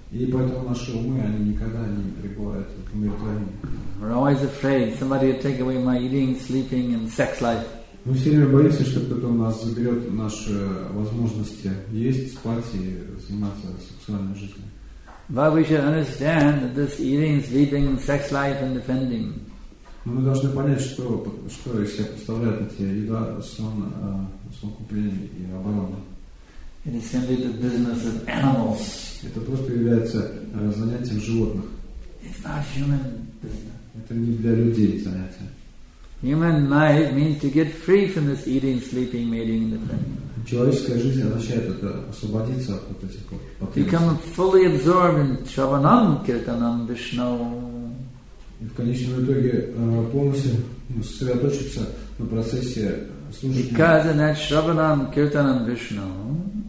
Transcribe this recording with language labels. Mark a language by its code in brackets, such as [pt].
[en] We're always afraid somebody will take away my eating, sleeping, and sex life. [ru] Мы все время боимся, что кто-то у нас заберет наши возможности есть, спать и заниматься сексуальной жизнью. [en] But we should understand that this eating, sleeping, sex life and defending. [ru] Мы должны понять, что из себя представляют эти еда, сон, купление и оборона. [en] It is simply the business of animals. [ru] Это просто является занятием животных. [en] It's not human business. [ru] Это не для людей занятие. [en] Human life means to get free from this eating, sleeping, mating, and defending. [ru] Человеческая жизнь означает это освободиться от этих потребностей. [en] Become fully absorbed in Shravanam, Kirtanam, Vishnu. [ru] И в конечном итоге полностью сосредоточиться на процессе служения. [en] Because in that Shravanam, Kirtanam, Vishnu.